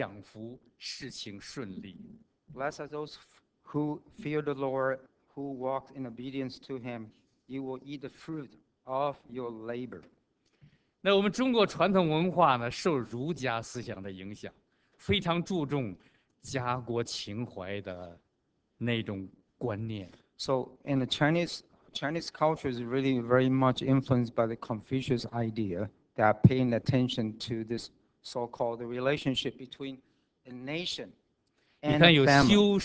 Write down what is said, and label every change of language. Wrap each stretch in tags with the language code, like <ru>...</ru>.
<zh>第一、第二节我们看，凡敬畏耶和华、遵行他道的人，便为有福。你要吃劳碌得来的，你要享福，事情顺利。</zh> <en>Blessed are those who fear the Lord, who walk in obedience to Him. You will eat the fruit of your labor.</en> <zh>那我们中国传统文化呢，受儒家思想的影响，非常注重家国情怀的那种观念。</zh> <en>So in the Chinese culture is really very much influenced by the Confucius idea that paying attention to this so-called relationship between a nation and a family.</en>